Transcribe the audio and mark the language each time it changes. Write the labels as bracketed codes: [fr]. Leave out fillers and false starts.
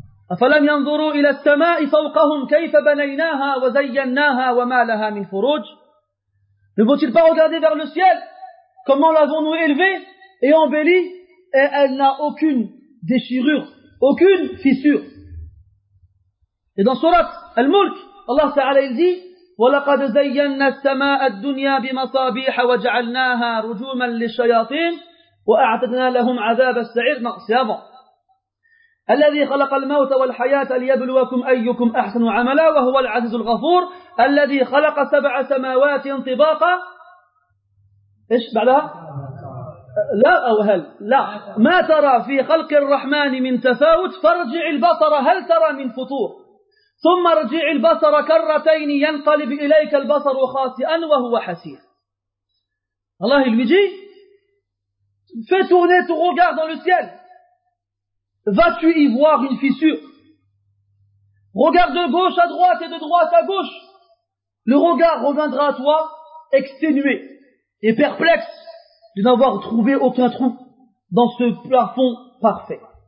[ar] أَفَلَمْ يَنْظُرُوا إِلَى السَّمَاءِ فَوْقَهُمْ كَيْفَ بَنَيْنَاهَا وَزَيَّنَّاهَا وَمَا لَهَا مِنْ فُرُوجِ. [fr] Ne vont-ils pas regarder vers le ciel? Comment l'avons-nous élevé et embelli et elle n'a aucune déchirure, aucune fissure. Et dans surat Al-Mulk, Allah Ta'ala il dit: [ar] وَلَقَدْ زَيَّنَّا السَّمَاءَ الدُّنْيَا بِمَصَابِيحَ وَجَعَلْنَاهَا رُجُومًا لِلشَّيَاطِينِ وَأَعْتَدْنَا لَهُمْ عَذَابَ السَّعِيرِ. [fr] Non, c'est avant. [ar] الذي خلق الموت والحياة ليبلوكم أيكم أحسن عملا وهو العزيز الغفور الذي خلق سبع سماوات طباقا. إيش بعدها؟ لا أو هل لا ما ترى في خلق الرحمن من تفاوت فارجع البصر هل ترى من فطور ثم ارجع البصر كرتين ينقلب إليك البصر خاسئا وهو حسير. الله يجي [fr] fais tourner ton regard dans le ciel. Vas-tu y voir une fissure? Regarde de gauche à droite et de droite à gauche. Le regard reviendra à toi exténué et perplexe de n'avoir trouvé aucun trou dans ce plafond parfait.